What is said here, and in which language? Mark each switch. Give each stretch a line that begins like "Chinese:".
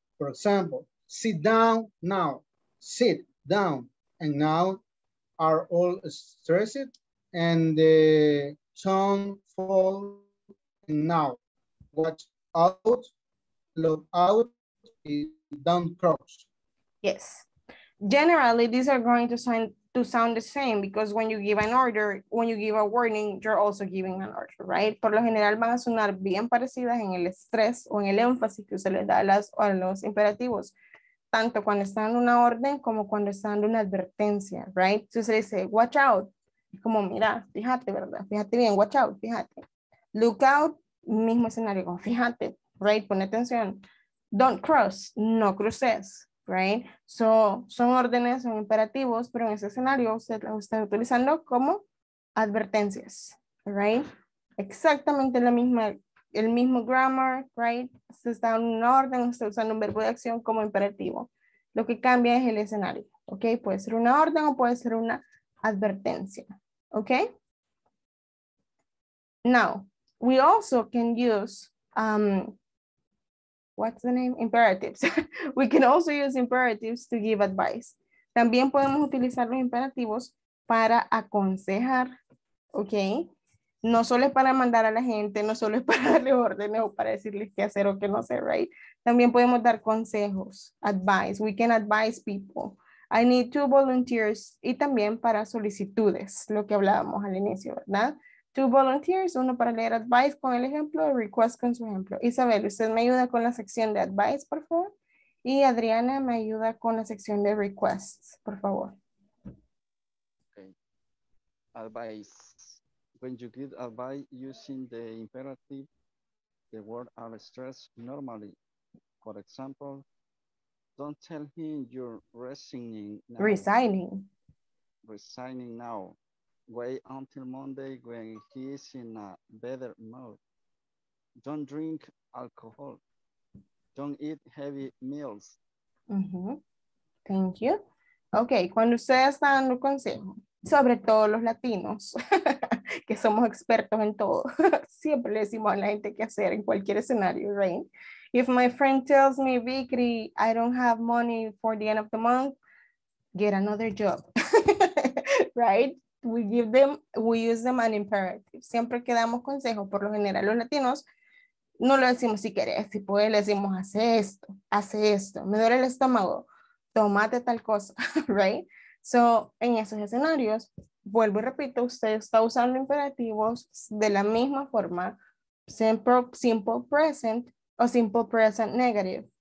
English: For example, sit down now, sit down, and now are all stressed, and the tone falls now. Watch out, look out, don't cross. Yes. Generally, these are going to sound the same, because when you give an order, when you give a warning, you're also giving an order, right?
Spanish: Por lo general van a sonar bien parecidas en el estrés o en el énfasis que usted le da a las o a los imperativos, tanto cuando están dando una orden como cuando están dando una advertencia, right? Si usted dice,
English: watch out,
Spanish: como mira, fíjate, ¿verdad? Fíjate bien,
English: watch out,
Spanish: fíjate.
English: Look out,
Spanish: mismo escenario, como fíjate, right? Pone atención.
English: Don't cross,
Spanish: no cruces.
English: Right?
Spanish: So, son órdenes, son imperativos, pero en ese escenario usted los está utilizando como advertencias, right? Exactamente la misma, el mismo grammar, right? Se está dando una orden, está usando un verbo de acción como imperativo. Lo que cambia es el escenario, ¿ok? Puede ser una orden o puede ser una advertencia, ¿ok?
English: Now, we also can use, what's the name? Imperatives. We can also use imperatives to give advice.
Spanish: También podemos utilizar los imperativos para aconsejar, ¿ok? No solo es para mandar a la gente, no solo es para darle órdenes o para decirles qué hacer o qué no hacer, right? También podemos dar consejos, advice.
English: We can advise people. I need two volunteers.
Spanish: Y también para solicitudes, lo que hablábamos al inicio, ¿verdad? Two volunteers, uno para leer advice con el ejemplo, request con su ejemplo. Isabel, usted me ayuda con la sección de advice, por favor. Y Adriana me ayuda con la sección de requests, por favor.
English: Okay. Advice. When you give advice using the imperative, the words are stressed normally. For example, don't tell him you're resigning now. Resigning. Resigning now. Wait until Monday when he is in a better mood. Don't drink alcohol. Don't eat heavy meals. Mm-hmm. Thank you.
Spanish: Okay, cuando usted está dando consejo, sobre todo los latinos, que somos expertos en todo, siempre le decimos a la gente qué hacer en cualquier escenario, right?
English: If my friend tells me, Vicky, I don't have money for the end of the month, get another job, right? We give them, we use them an imperative.
Spanish: Siempre que damos consejos, por lo general los latinos, no lo decimos si querés, si puedes, le decimos, hace esto, me duele el estómago, tómate tal cosa, right? So, en esos escenarios, vuelvo y repito, usted está usando imperativos de la misma forma, simple present o simple present negative.